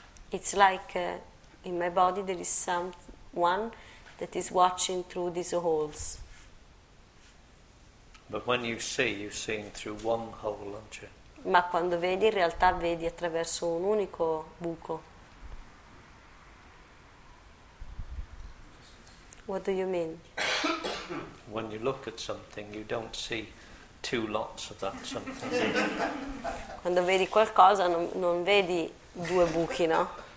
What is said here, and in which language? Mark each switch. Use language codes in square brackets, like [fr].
[en] It's like in my body there is someone that is watching through these holes. But when you see, you're seeing through one hole, aren't you? [it] Ma quando vedi, in realtà vedi attraverso un unico buco. [en] What do you mean? When you look at something, you don't see two lots of that something. [it] Quando vedi qualcosa, non vedi due buchi, no?